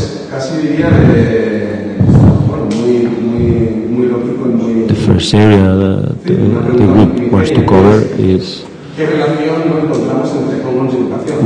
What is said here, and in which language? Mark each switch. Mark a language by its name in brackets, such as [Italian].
[Spanish] casi diría de, bueno, muy lógico y muy... [English] The first area that the group wants to cover is... [Spanish] ¿Qué relación no encontramos entre commons y educación?